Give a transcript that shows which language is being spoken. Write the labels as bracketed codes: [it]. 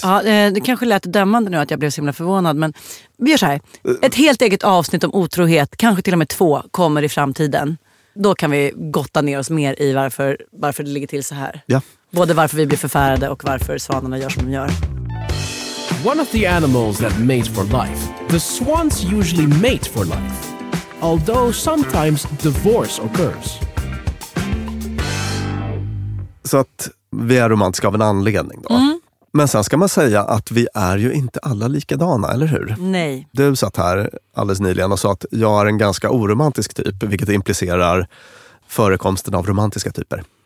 [sv] Ja, det kanske lät dömande nu att jag blev så himla förvånad, men vi gör så här. Ett helt eget avsnitt om otrohet, kanske till och med två, kommer i framtiden. då kan vi gotta ner oss mer i varför det ligger till så här. Ja. Både varför vi blir förfärade och varför svanarna gör som de gör. [en] One of the animals that mate for life, the swans usually mate for life, although sometimes divorce occurs. [sv] Så att vi är romantiska av en anledning då. Mm. Men sen ska man säga att vi är ju inte alla likadana, eller hur? Nej. Du satt här alldeles nyligen och sa att jag är en ganska oromantisk typ, vilket implicerar förekomsten av romantiska typer.